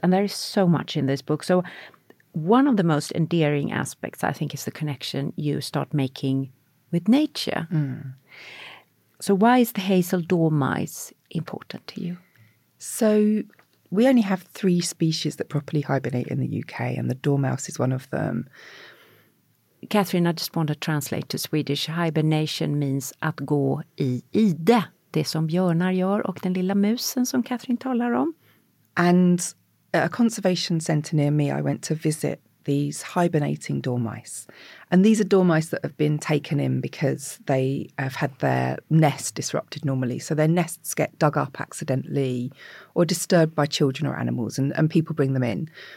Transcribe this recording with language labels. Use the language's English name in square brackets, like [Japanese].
[English] And there is so much in this book. So one of the most endearing aspects, I think, is the connection you start making with nature. Mm. So why is the hazel dormice important to you? So we only have three species that properly hibernate in the UK, and the dormouse is one of them. Catherine, I just want to translate to Swedish. Hibernation means [Swedish] att gå i ide, det som björnar gör och den lilla musen som Catherine talar om. [English] And at a conservation centre near me, I went to visit these hibernating dormice. And these are dormice that have been taken in because they have had their nest disrupted normally. So their nests get dug up accidentally or disturbed by children or animals, and people bring them in.